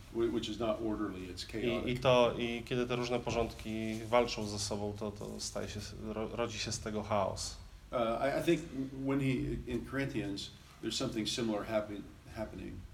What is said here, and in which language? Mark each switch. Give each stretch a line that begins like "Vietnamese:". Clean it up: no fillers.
English: Which is not orderly, it's chaotic.
Polish: I kiedy te różne porządki walczą ze sobą, to staje się rodzi się z tego chaos.
English: I think when he in Corinthians there's something similar happening.